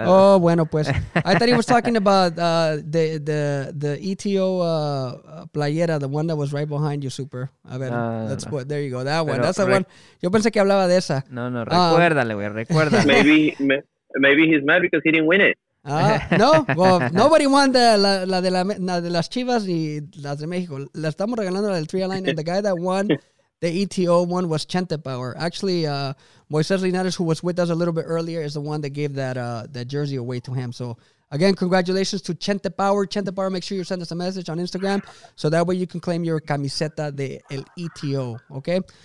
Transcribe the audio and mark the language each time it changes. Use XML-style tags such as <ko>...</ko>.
<es>Oh, bueno, pues.</es> <en>I thought he was talking about the ETO playera, the one that was right behind you, super.</en> <es>A ver,</es> <en>there you go, that one.</en> <es>Pero,</es> <en>that's the one.</en> <es>Yo pensé que hablaba de esa. No, recuérdale, güey, recuérdale.</es> <en>Maybe he's mad because he didn't win it. No, well, nobody won</en> <es>la de las Chivas ni las de México. La estamos regalando la del</es> <en>Three Line, and the guy that won the ETO one was Chente Power. Actually, Moises Linares, who was with us a little bit earlier, is the one that gave that jersey away to him. So, again, congratulations to Chente Power. Chente Power, make sure you send us a message on Instagram so that way you can claim your</en> <es>camiseta de el ETO,</es> <en>okay?</en>